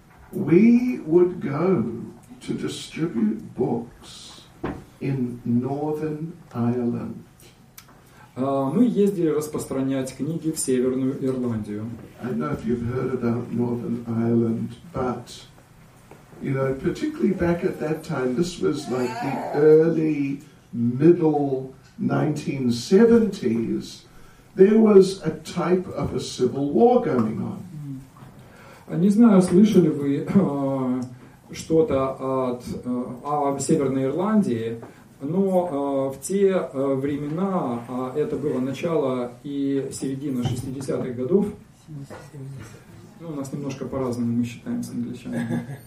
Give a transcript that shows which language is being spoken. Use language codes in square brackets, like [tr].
[en] We would go to distribute books in Northern Ireland. [ru] Мы ездили распространять книги в Северную Ирландию. [en] I don't know if you've heard about Northern Ireland, but you know, particularly back at that time, this was like the early middle 1970s. There was a type of a civil war going on. [ru] Не знаю, слышали вы что-то от о Северной Ирландии, но в те времена, это было начало и середина 60-х годов, ну, у нас немножко по-разному мы считаем с англичанами.